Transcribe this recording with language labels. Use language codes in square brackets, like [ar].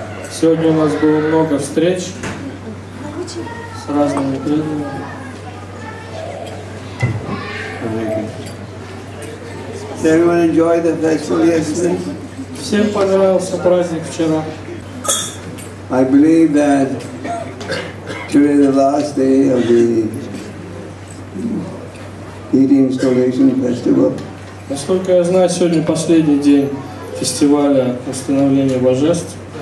[ru] Сегодня у нас было много встреч с разными людьми. [en] Did everyone enjoy the festival yesterday? [ru] Всем понравился праздник вчера. [en] I believe that during the last day of the Heating Installation Festival. [ru] Насколько я знаю, сегодня последний день фестиваля установления божеств.